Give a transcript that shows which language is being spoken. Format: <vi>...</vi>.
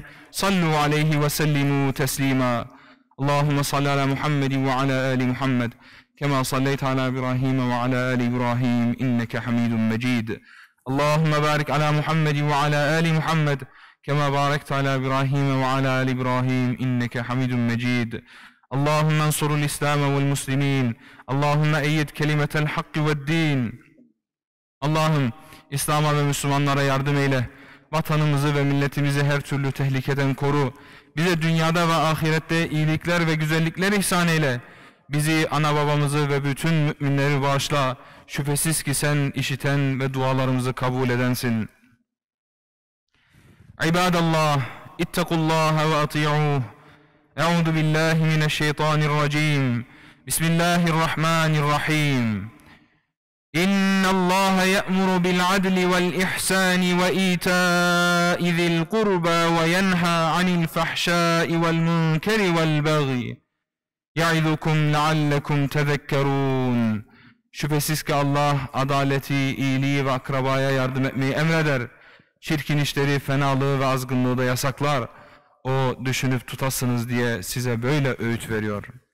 <ar>صلوا عليه وسلموا تسليما اللهم صل على محمد وعلى آل محمد كما صليت على إبراهيم وعلى آل إبراهيم إنك حميد مجيد اللهم بارك على محمد وعلى آل محمد كما باركت على إبراهيم وعلى آل إبراهيم إنك حميد مجيد اللهم انصر الإسلام والمسلمين اللهم أيد كلمة الحق والدين اللهم إسلام والمسلمانlara</ar> <tr>yardım eyle vatanımızı ve milletimizi her türlü tehlikeden koru. Bize dünyada ve ahirette iyilikler ve güzellikler ihsan eyle. Bizi, ana babamızı ve bütün müminleri bağışla. Şüphesiz ki sen işiten ve dualarımızı kabul edensin.</tr> <ar>İbadallah, ittakullaha ve ati'uh. Eûzu billahi mineşşeytanirracim. Bismillahirrahmanirrahim. إن الله يأمر بالعدل والإحسان وإيتاء ذي القربى وينهى عن الفحشاء والمنكر والبغي يعظكم لعلكم تذكرون.</ar> <tr>Şüphesiz ki Allah adaleti, iyiliği ve akrabaya yardım etmeyi emreder. Çirkin işleri, fenalığı ve azgınlığı da yasaklar. O düşünüp tutasınız diye size böyle öğüt veriyor.</tr>